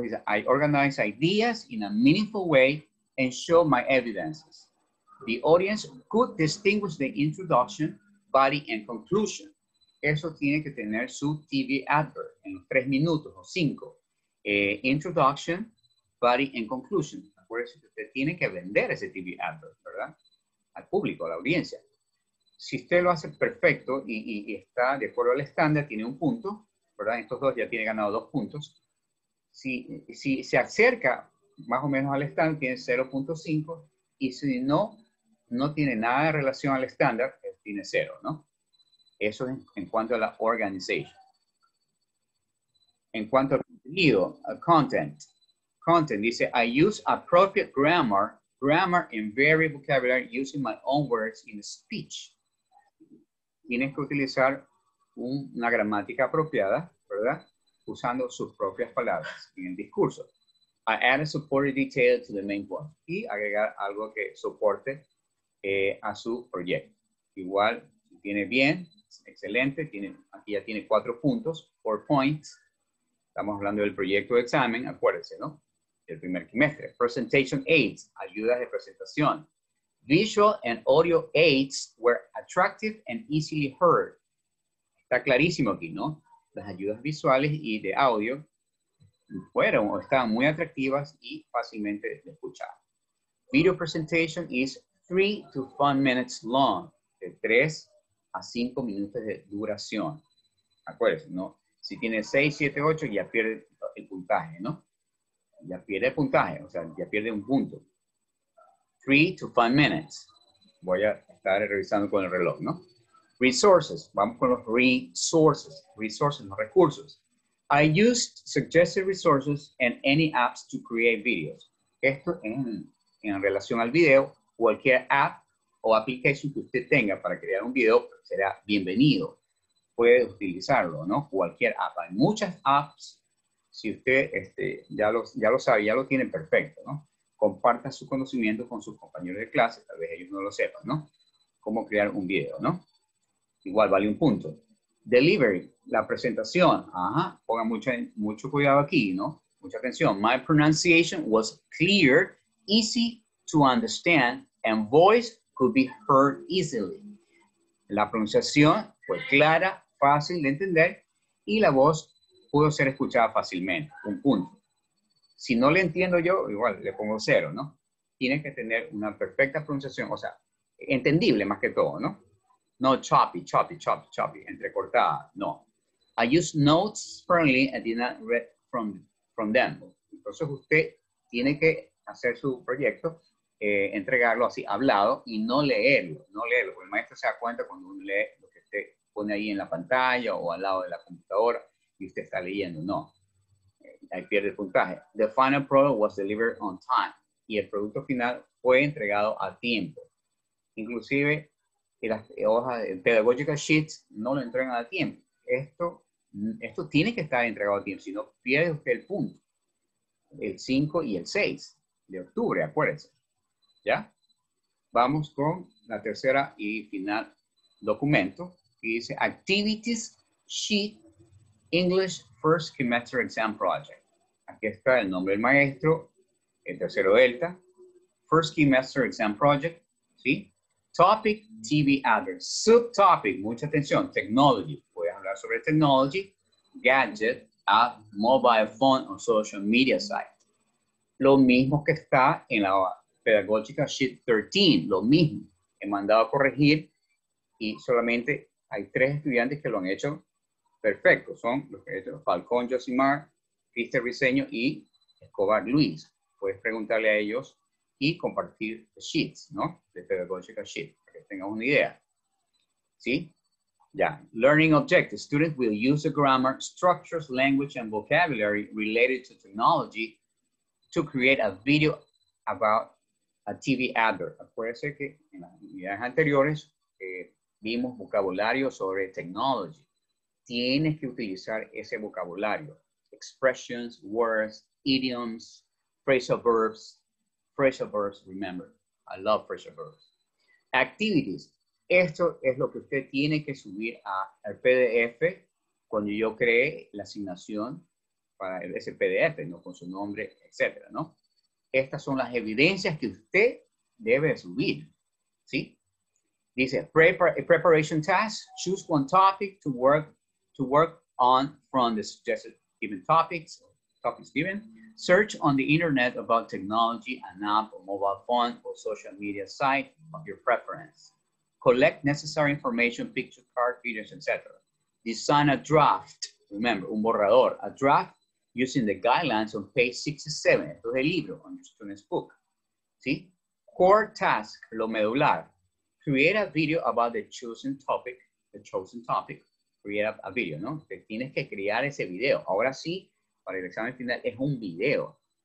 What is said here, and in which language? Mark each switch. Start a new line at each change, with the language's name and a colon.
English: Dice, I organize ideas in a meaningful way and show my evidences. The audience could distinguish the introduction, body, and conclusion.
Spanish: Eso tiene que tener su TV advert en los 3 minutos o 5.
English: Introduction, body, and conclusion.
Spanish: Acuérdense que usted tiene que vender ese TV advert, ¿verdad? Al público, a la audiencia. Si usted lo hace perfecto y está de acuerdo al estándar, tiene un punto, ¿verdad? Estos dos ya tiene ganado 2 puntos. Si se acerca más o menos al estándar, tiene 0.5. Y si no, no tiene nada de relación al estándar, tiene 0, ¿no? Eso es en cuanto a la organización. En cuanto al contenido, al content.
English: Content dice, I use appropriate grammar and varied vocabulary using my own words in speech.
Spanish: Tienes que utilizar una gramática apropiada, ¿verdad? Usando sus propias palabras en el discurso.
English: I add a supporting detail to the main point.
Spanish: Y agregar algo que soporte a su proyecto. Igual, tiene bien, excelente. Aquí ya tiene 4 puntos, 4 points. Estamos hablando del proyecto de examen, acuérdense, ¿no? El primer trimestre.
English: Presentation aids,
Spanish: ayudas de presentación.
English: Visual and audio aids were attractive and easily heard.
Spanish: Está clarísimo aquí, ¿no? Las ayudas visuales y de audio fueron o estaban muy atractivas y fácilmente de escuchar.
English: Video presentation is 3 to 5 minutes long.
Spanish: De 3 a 5 minutos de duración. Acuérdense, ¿no? Si tiene 6, 7, 8, ya pierde el puntaje, ¿no? Ya pierde el puntaje, o sea, ya pierde un punto.
English: 3 to 5 minutes.
Spanish: Voy a estar revisando con el reloj, ¿no? Resources. Vamos con los resources. Resources, los recursos.
English: I used suggested resources and any apps to create videos.
Spanish: Esto en relación al video, cualquier app o application que usted tenga para crear un video será bienvenido. Puede utilizarlo, ¿no? Cualquier app. Hay muchas apps. Si usted ya lo sabe, ya lo tiene perfecto, ¿no? Comparta su conocimiento con sus compañeros de clase. Tal vez ellos no lo sepan, ¿no? Cómo crear un video, ¿no? Igual vale un punto. Delivery, la presentación. Ajá, ponga mucho cuidado aquí, ¿no? Mucha atención.
English: My pronunciation was clear, easy to understand, and voice could be heard easily.
Spanish: La pronunciación fue clara, fácil de entender, y la voz pudo ser escuchada fácilmente. Un punto. Si no le entiendo yo, igual le pongo 0, ¿no? Tiene que tener una perfecta pronunciación, o sea, entendible más que todo, ¿no?
English: No choppy,
Spanish: entrecortada, no.
English: I use notes sparingly and did not read from them.
Spanish: Entonces usted tiene que hacer su proyecto, entregarlo así, hablado, y no leerlo, porque el maestro se da cuenta cuando uno lee lo que usted pone ahí en la pantalla o al lado de la computadora y usted está leyendo, no. Ahí pierde el puntaje.
English: The final product was delivered on time.
Spanish: Y el producto final fue entregado a tiempo. Inclusive, las hojas pedagógicas sheets no lo entregan a tiempo. Esto tiene que estar entregado a tiempo, si no pierde usted el punto. El 5 y el 6 de octubre, acuérdense. ¿Ya? Vamos con la tercera y final documento. Y dice,
English: Activities Sheet English First Semester Exam Project.
Spanish: Aquí está el nombre del maestro, el tercero delta.
English: First Semester Exam Project, ¿sí? Topic, TV Adverts.
Spanish: Subtopic, mucha atención, Technology. Voy a hablar sobre Technology. Gadget,
English: a mobile phone
Spanish: o social media site. Lo mismo que está en la pedagógica sheet 13, lo mismo. He mandado a corregir y solamente hay tres estudiantes que lo han hecho perfecto. Son los que Falcón, Josimar, Cristian Riseño y Escobar Luis. Puedes preguntarle a ellos y compartir sheets, ¿no? De pedagógica sheet, para que tengan una idea. ¿Sí? Ya. Yeah.
English: Learning objectives. Students will use the grammar, structures, language, and vocabulary related to technology to create a video about a TV advert.
Spanish: Acuérdense que en las unidades anteriores vimos vocabulario sobre technology. Tienes que utilizar ese vocabulario.
English: Expressions, words, idioms, phrasal verbs, remember. I love phrasal verbs.
Spanish: Activities. Esto es lo que usted tiene que subir al PDF cuando yo creé la asignación para ese PDF, ¿no? Con su nombre, etcétera, ¿no? Estas son las evidencias que usted debe subir, ¿sí?
English: Dice, preparation task, choose one topic to work on from the suggested given topics given. Search on the internet about technology, an app, or mobile phone, or social media site of your preference. Collect necessary information, picture, card, videos, etc. Design a draft, remember,
Spanish: un borrador,
English: a draft using the guidelines on page 67.
Spanish: Esto es el libro,
English: on your student's book.
Spanish: ¿Sí? Core task, lo medular.
English: Create a video about the chosen topic. Create a video, ¿no?
Spanish: Te tienes que crear ese video. Ahora sí, para el examen final, es un video.